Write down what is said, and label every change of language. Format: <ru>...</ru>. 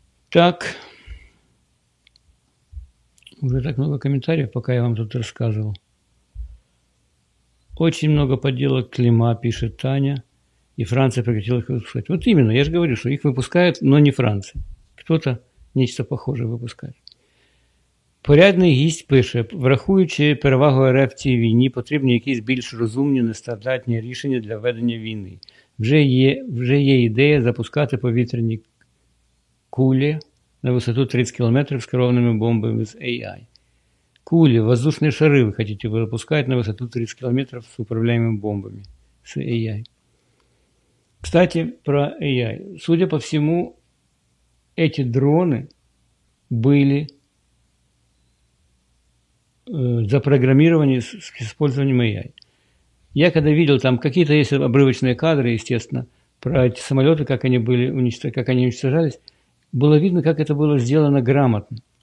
<ru>Так, уже так много комментариев, пока я вам тут рассказывал. Очень много подделок Клима, пишет Таня. И Франция прекратила их выпускать. Вот именно, я же говорю, что их выпускают, но не Франция. Кто-то нечто похожее выпускает.</ru> <uk>Порядний гість пише, врахуючи перевагу РФ в цій війні, потрібні якісь більш розумні, нестандартні рішення для ведення війни. Вже є ідея запускати повітряні кулі на висоту 30 км з керованими бомбами з AI. Кулі, воздушні шари ви хочете випускати на висоту 30 км з управляємими бомбами з AI.</uk> <ru>Кстати, про AI. Судя по всему, эти дроны были запрограммированы с использованием AI. Я когда видел, там какие-то есть обрывочные кадры, естественно, про эти самолеты, как они были уничтожены, как они уничтожались, было видно, как это было сделано грамотно.</ru>